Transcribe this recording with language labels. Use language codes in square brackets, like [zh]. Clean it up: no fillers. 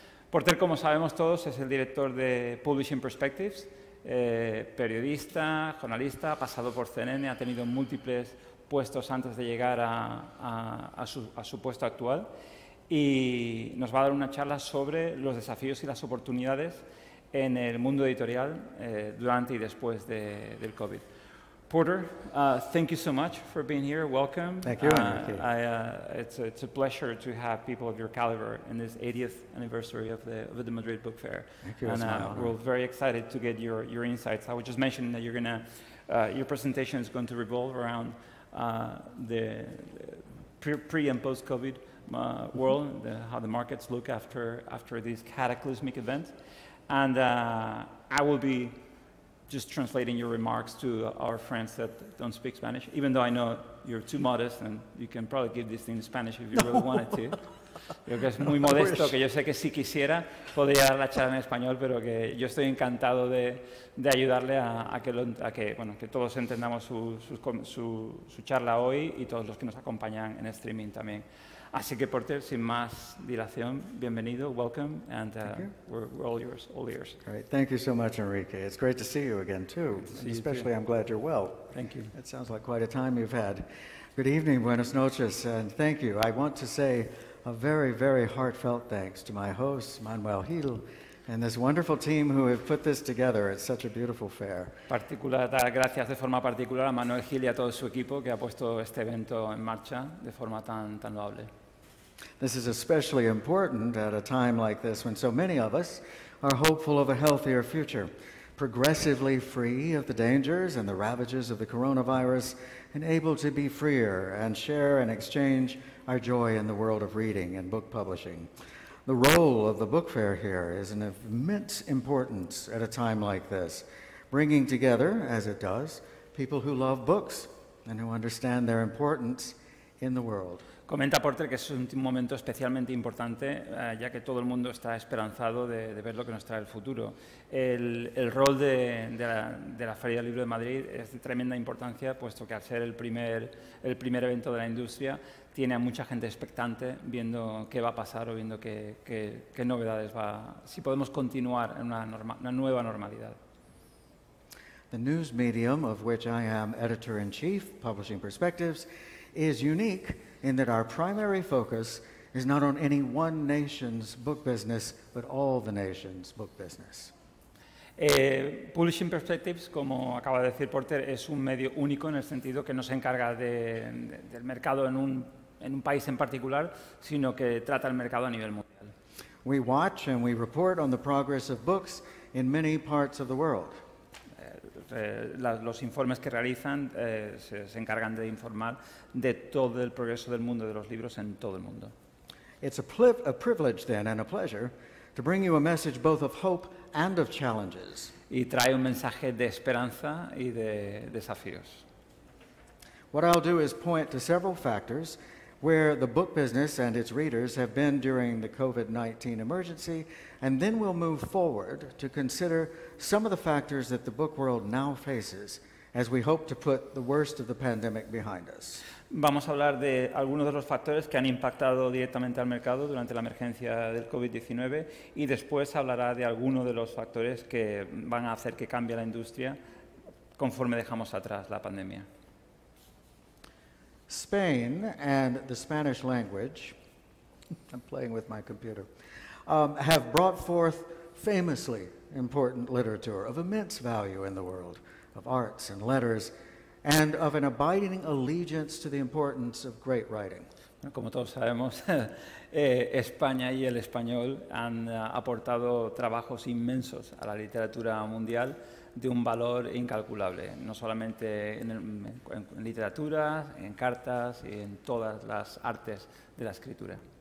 [es] Porter, como sabemos todos, es el director de Publishing Perspectives, periodista, jornalista, ha pasado por CNN, ha tenido múltiples puestos antes de llegar a su puesto actual y nos va a dar una charla sobre los desafíos y las oportunidades en el mundo editorial durante y después del COVID. [en] Porter, thank you so much for being here. Welcome. Thank you. It's a pleasure to have people of your caliber in this 80th anniversary of the Madrid Book Fair. Thank you. And we're very excited to get your insights. I was just mentioning that your presentation is going to revolve around the pre and post COVID world, how the markets look after this cataclysmic event, and I will be just translating your remarks to our friends that don't speak Spanish, even though I know you're too modest and you can probably give this thing in Spanish if you really wanted to. [es] Yo que es muy modesto, que yo sé que si quisiera podría dar la charla en español, pero que yo estoy encantado de ayudarle a que todos entendamos su charla hoy y todos los que nos acompañan en streaming también. Así que Porter, sin más dilación, bienvenido, [en] welcome, and we're all yours, all ears. All right, thank you so much, Enrique. It's great to see you again, too. Especially, too. I'm glad you're well. Thank you. It sounds like quite a time you've had. Good evening, [es] buenas noches, [en] and thank you. I want to say a very, very heartfelt thanks to my host, Manuel Hill, and this wonderful team who have put this together. It's such a beautiful fair. [es] Particular gracias de forma particular a Manuel Gil y a todo su equipo que ha puesto este evento en marcha de forma tan loable. [en] This is especially important at a time like this when so many of us are hopeful of a healthier future, progressively free of the dangers and the ravages of the coronavirus, and able to be freer and share and exchange our joy in the world of reading and book publishing. The role of the book fair here is of immense importance at a time like this, bringing together, as it does, people who love books and who understand their importance in the world. [es] Comenta Porter que es un momento especialmente importante, ya que todo el mundo está esperanzado de ver lo que nos trae el futuro. El rol de la Feria del Libro de Madrid es de tremenda importancia, puesto que al ser el primer evento de la industria, tiene a mucha gente expectante viendo qué va a pasar o viendo qué novedades va, si podemos continuar en una nueva normalidad. [en] The news medium of which I am editor-in-chief, Publishing Perspectives, is unique in that our primary focus is not on any one nation's book business, but all the nation's book business. [es] Publishing Perspectives, como acaba de decir Porter, es un medio único en el sentido que no se encarga del mercado en un país en particular, sino que trata el mercado a nivel mundial. [en] We watch and we report on the progress of books in many parts of the world. [es] Los informes que realizan se encargan de informar de todo el progreso del mundo de los libros en todo el mundo. [en] It's a privilege then and a pleasure to bring you a message both of hope and of challenges. [es] Y trae un mensaje de esperanza y de desafíos. [en] What I'll do is point to several factors where the book business and its readers have been during the COVID-19 emergency, and then we'll move forward to consider some of the factors that the book world now faces as we hope to put the worst of the pandemic behind us. [es] Vamos a hablar de algunos de los factores que han impactado directamente al mercado durante la emergencia del COVID-19 y después hablará de algunos de los factores que van a hacer que cambie la industria conforme dejamos atrás la pandemia. [en] Spain and the Spanish language, I'm playing with my computer, have brought forth famously important literature of immense value in the world of arts and letters and of an abiding allegiance to the importance of great writing. [es] Como todos sabemos, España y el español han aportado trabajos inmensos a la literatura mundial de un valor incalculable, no solamente en literatura, en cartas y en todas las artes de la escritura.